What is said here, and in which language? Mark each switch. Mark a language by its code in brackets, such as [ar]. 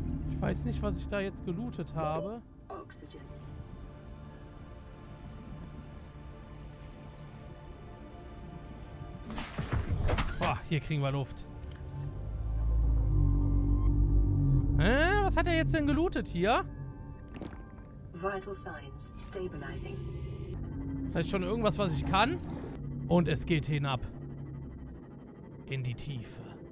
[de] Ich weiß nicht, was ich da jetzt gelootet habe. Oxygen. Boah, hier kriegen wir Luft. Was hat er jetzt denn gelootet hier? [en] Vital signs stabilizing. [de] Vielleicht schon irgendwas, was ich kann. Und es geht hinab. In die Tiefe.